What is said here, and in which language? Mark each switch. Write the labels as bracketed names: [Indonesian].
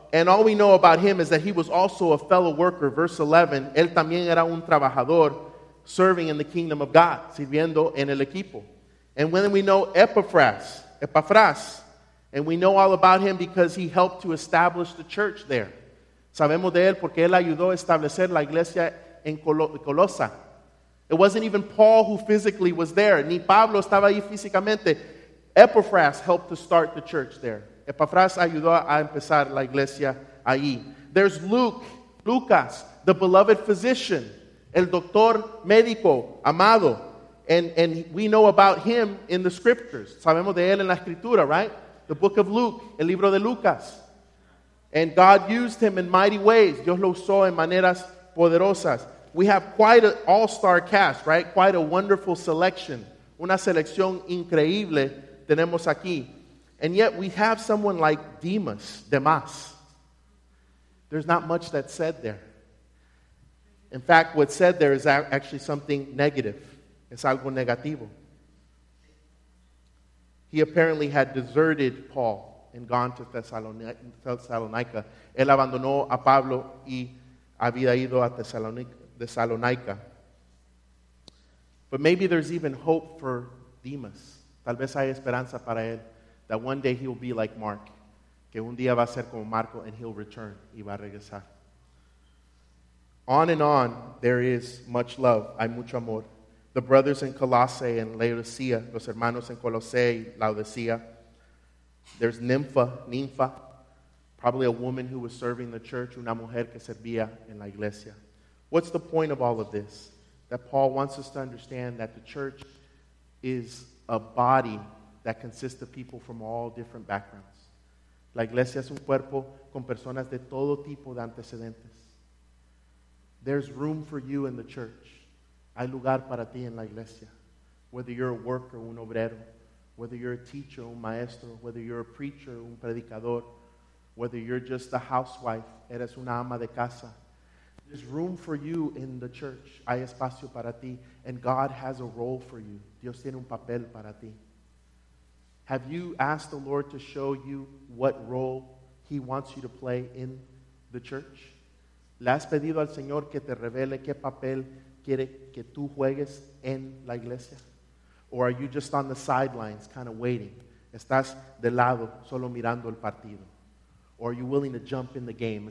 [English] And all we know about him is that he was also a fellow worker. Verse 11, [Spanish] él también era un trabajador. [English] Serving in the kingdom of God, [Spanish] sirviendo en el equipo. [English] And when we know Epaphras, and we know all about him because he helped to establish the church there. [Spanish] Sabemos de él porque él ayudó a establecer la iglesia en Colosa. [English] It wasn't even Paul who physically was there, [Spanish] ni Pablo estaba ahí físicamente. [English] Epaphras helped to start the church there. [Spanish] Epaphras ayudó a empezar la iglesia ahí. [English] There's Lucas, the beloved physician. [Spanish] El doctor médico, amado. [English] And we know about him in the scriptures. [Spanish] Sabemos de él en la escritura, [English] right? The book of Luke, [Spanish] el libro de Lucas. [English] And God used him in mighty ways. [Spanish] Dios lo usó en maneras poderosas. [English] We have quite an all-star cast, right? Quite a wonderful selection. [Spanish] Una selección increíble tenemos aquí. [English] And yet we have someone like Demas. There's not much that's said there. In fact, what's said there is actually something negative. [Spanish] Es algo negativo. [English] He apparently had deserted Paul and gone to Thessalonica. [Spanish] Él abandonó a Pablo y había ido a Thessalonica. [English] But maybe there's even hope for Demas. [Spanish] Tal vez hay esperanza para él [English] that one day he'll be like Mark. [Spanish] Que un día va a ser como Marco [English] and he'll return. [Spanish] Y va a regresar. [English] On and on, there is much love. [Spanish] Hay mucho amor. [English] The brothers in Colossae and Laodicea, [Spanish] los hermanos en Colosse y Laodicea. [English] There's Nympha, probably a woman who was serving the church, [Spanish] una mujer que servía en la iglesia. [English] What's the point of all of this? That Paul wants us to understand that the church is a body that consists of people from all different backgrounds. [Spanish] La iglesia es un cuerpo con personas de todo tipo de antecedentes. [English] There's room for you in the church. [Spanish] Hay lugar para ti en la iglesia. [English] Whether you're a worker, un obrero, whether you're a teacher, un maestro, whether you're a preacher, un predicador, whether you're just a housewife, [Spanish] eres una ama de casa. [English] There's room for you in the church. [Spanish] Hay espacio para ti. [English] And God has a role for you. [Spanish] Dios tiene un papel para ti. [English] Have you asked the Lord to show you what role he wants you to play in the church? [Spanish] ¿Le has pedido al Señor que te revele qué papel quiere que tú juegues en la iglesia? [English] Or are you just on the sidelines, kind of waiting? [Spanish] ¿Estás de lado, solo mirando el partido? [English] Or are you willing to jump in the game?